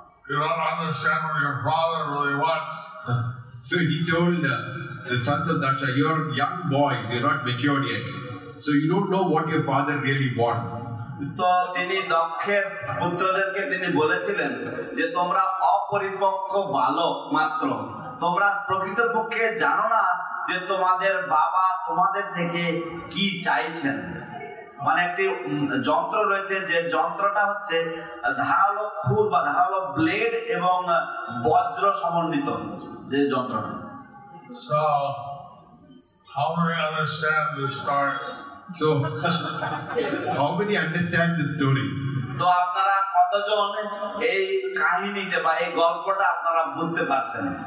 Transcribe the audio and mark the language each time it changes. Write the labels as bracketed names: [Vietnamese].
[English] You don't understand what your father really wants. So he told the sons of Daksha, you're young boys, you're not matured yet. So you don't know what your father really wants. [Bangla] So তিনি দক্ষের পুত্রদেরকে তিনি বলেছিলেন যে তোমরা অপরিপক্ক বালক মাত্র, তোমরা প্রকৃতপক্ষে জানো না যে তোমাদের বাবা তোমাদের থেকে কি চাইছেন. মানে একটি যন্ত্র রয়েছে, যে যন্ত্রটা হচ্ছে ধারালো খুর বা ধারালো ব্লেড এবং বজ্র সমন্বিত যে যন্ত্রটা. [English] So how many understand the story? So how many understand the story? [Bangla] তো আপনারা কতজন এই কাহিনীতে বা এই গল্পটা আপনারা বুঝতে পারছেন?